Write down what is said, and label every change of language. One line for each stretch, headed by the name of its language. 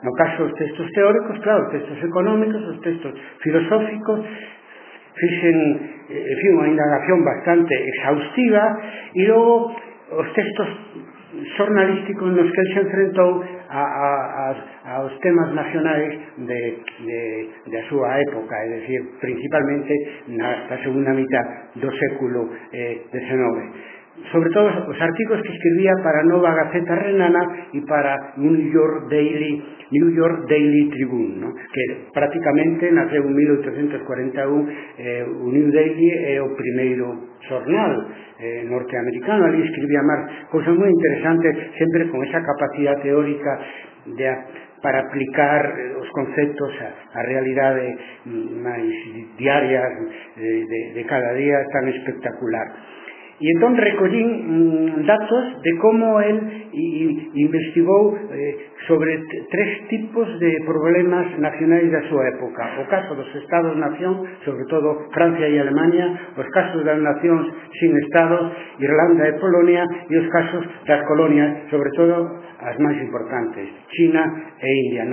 Galician: No caso dos textos teóricos, claro, os textos económicos, os textos filosóficos, fixen, en fin, unha indagación bastante exhaustiva, e logo os textos xornalísticos nos que ele se enfrentou aos temas nacionais da súa época, é dicir, principalmente na segunda mitad do século XIX.
Spanish: sobre todo los artículos que escribía para Nova Gazeta Renana y para New York Daily Tribune, ¿no? Que prácticamente nació en 1841,
Galician: New Daily é o primeiro xornal norteamericano.
Spanish: Ali escribía más cosas muy interesantes, siempre con esa capacidad teórica de para aplicar
Galician: os conceptos a realidade máis diaria de cada día
Spanish: tan espectacular.
Galician: E entón recollín datos de como él investigou sobre tres tipos de problemas nacionais da súa época: o caso dos Estados-Nación, sobre todo Francia e Alemania, os casos das nacións sin Estados, Irlanda e Polonia, e os casos das colonias, sobre todo as máis importantes, China e India.